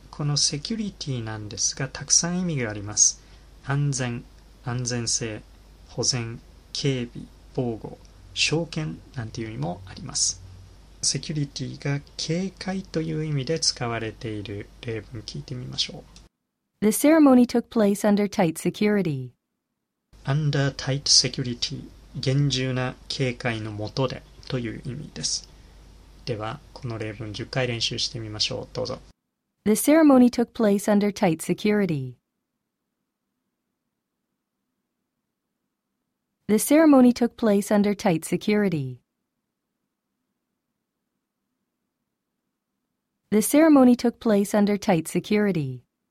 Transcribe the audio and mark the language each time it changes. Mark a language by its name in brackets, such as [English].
[Japanese] このセキュリティなんですが、たくさん意味があります。安全、安全性、保全、警備、防護、証券なんていう意味もあります。セキュリティが警戒という意味で使われている例文聞いてみましょう。 [English] The ceremony took place under tight security. Under tight security、 [Japanese] 厳重な警戒のもとでという意味です。では、この例文10回練習してみましょう。どうぞ。 [English] The ceremony took place under tight security. The ceremony took place under tight security. The ceremony took place under tight security.